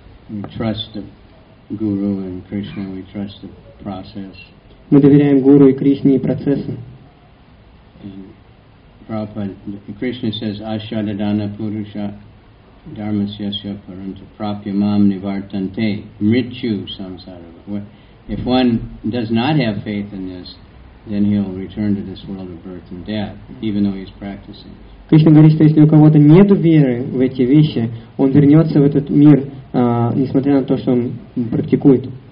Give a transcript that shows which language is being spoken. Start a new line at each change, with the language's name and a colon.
English: We trust the Guru and Krishna, we trust the process.
Russian: Мы доверяем Гуру и Кришне и процессу.
Sanskrit: Prabhupada,
English: Krishna says,
Sanskrit: Ashadadana Purusha Dharmasyasya Paranta Prapyamam Nivartante Mrityu Samsarava.
English: If one does not have faith in this, then he'll return to this world of birth and death, even though he's practicing.
Russian: Кришна говорит, что если у кого-то нет веры в эти вещи, он вернется в этот мир, несмотря на то, что он практикует.